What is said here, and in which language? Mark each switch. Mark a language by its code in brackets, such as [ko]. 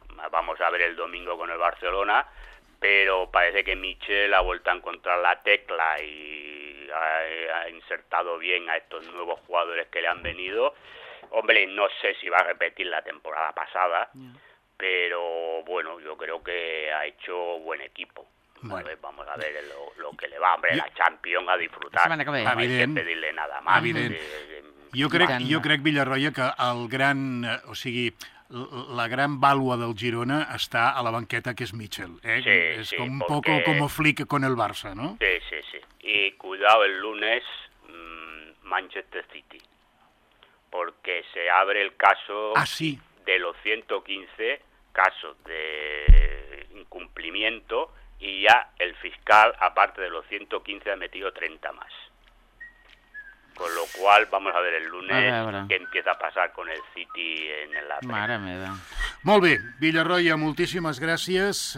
[es] Vamos a ver el domingo con el Barcelona, pero parece que Michel ha vuelto a encontrar la tecla y ha insertado bien a estos nuevos jugadores que le han venido. Hombre, no sé si va a repetir la temporada pasada, pero bueno, yo creo que ha hecho buen equipo. Bueno. Vamos a ver lo que le va, hombre, la Champions a disfrutar. La no hay que pedirle nada más. [ca] Jo crec, Villarroya, que el gran, o sigui, la gran vàlua del Girona està a la banqueta, que és Michel. Com Flick con el Barça, no? [es] Sí. I cuidado el lunes, Manchester City. Porque se abre el caso de los 115 casos de incumplimiento y ya el fiscal, aparte de los 115, ha metido 30 más. Con lo cual, vamos a ver el lunes qué empieza a pasar con el City en el Atlético. [ca] Mare meva. Molt bé, Villarroya, moltíssimes gràcies.